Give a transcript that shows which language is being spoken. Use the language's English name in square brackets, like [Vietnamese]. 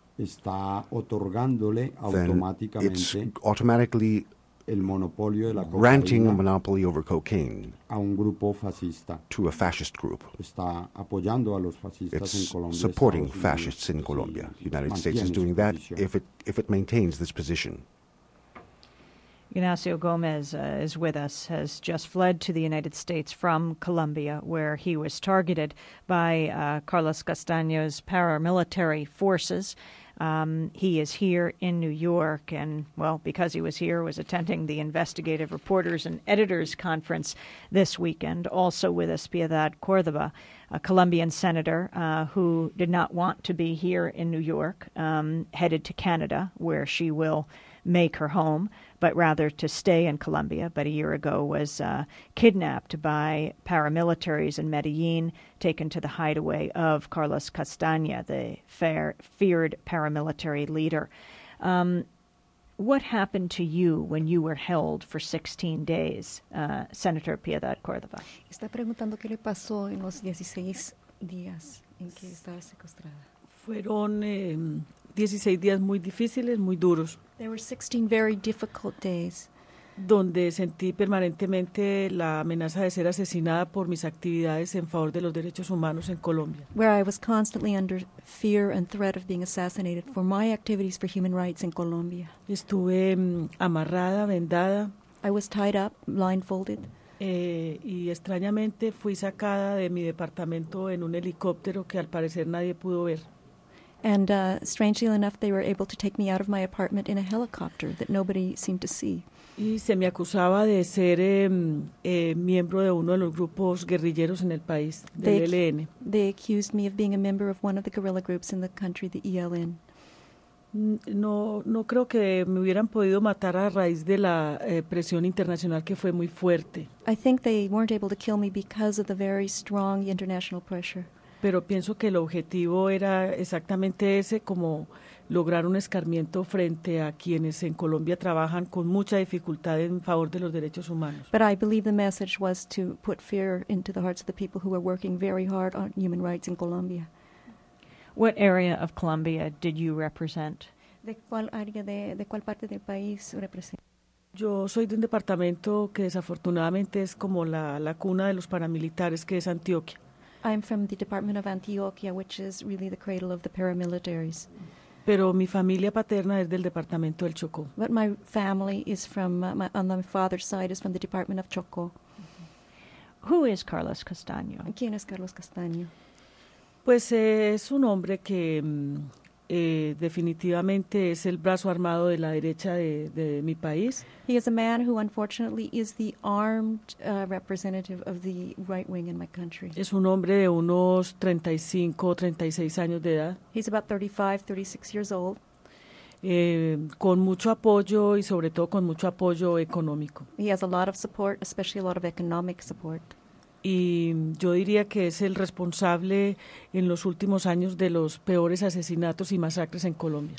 [Spanish] está otorgándole automáticamente, [English] it's automatically [Spanish] el monopolio de la cocaína, [English] granting a monopoly over cocaine [Spanish] a un grupo fascista, [English] to a fascist group. [Spanish] Está apoyando a los fascistas en Colombia, [English] supporting fascists in Colombia. The United States is doing that if it maintains this position. Ignacio Gomez is with us, has just fled to the United States from Colombia, where he was targeted by Carlos Castaño's paramilitary forces. He is here in New York, and, well, because he was here, was attending the Investigative Reporters and Editors Conference this weekend. Also with us, Piedad Córdoba, a Colombian senator who did not want to be here in New York, headed to Canada, where she will make her home, but rather to stay in Colombia, but a year ago was kidnapped by paramilitaries in Medellin, taken to the hideaway of Carlos Castaña, the feared paramilitary leader. What happened to you when you were held for 16 days, Senator Piedad Córdova? [Spanish] Está preguntando qué le pasó en los 16 días en que estaba secuestrada. Fueron 16 días muy difíciles, muy duros. [English] There were 16 very difficult days. [Spanish] Donde sentí permanentemente la amenaza de ser asesinada por mis actividades en favor de los derechos humanos en Colombia. [English] Where I was constantly under fear and threat of being assassinated for my activities for human rights in Colombia. [Spanish] Estuve amarrada, vendada. [English] I was tied up, blindfolded. [Spanish] Y extrañamente fui sacada de mi departamento en un helicóptero que al parecer nadie pudo ver. [English] And strangely enough, they were able to take me out of my apartment in a helicopter that nobody seemed to see. [Spanish] Y se me acusaba de ser miembro de uno de los grupos guerrilleros en el país, del ELN. [English] They accused me of being a member of one of the guerrilla groups in the country, the ELN. [Spanish] No creo que me hubieran podido matar a raíz de la presión internacional que fue muy fuerte. [English] I think they weren't able to kill me because of the very strong international pressure. [Spanish] Pero pienso que el objetivo era exactamente ese, como lograr un escarmiento frente a quienes en Colombia trabajan con mucha dificultad en favor de los derechos humanos. [English] But I believe the message was to put fear into the hearts of the people who are working very hard on human rights in Colombia. What area of Colombia did you represent? [Spanish] ¿De cuál área de cuál parte del país representas? Yo soy de un departamento que desafortunadamente es como la cuna de los paramilitares, que es Antioquia. [English] I'm from the department of Antioquia, which is really the cradle of the paramilitaries. [Spanish] Pero mi familia paterna es del departamento del Chocó. [English] But my family is from, on my father's side, is from the department of Chocó. Mm-hmm. Who is Carlos Castaño? [Spanish] ¿Quién es Carlos Castaño? Pues es un hombre que definitivamente es el brazo armado de la derecha de mi país. [English] He is a man who unfortunately is the armed representative of the right wing in my country. [Spanish] Es un hombre de unos 35 o 36 años de edad. [English] He's about 35, 36 years old. [Spanish] Con mucho apoyo y sobre todo con mucho apoyo económico. [English] He has a lot of support, especially a lot of economic support. [Spanish] Y yo diría que es el responsable en los últimos años de los peores asesinatos y masacres en Colombia.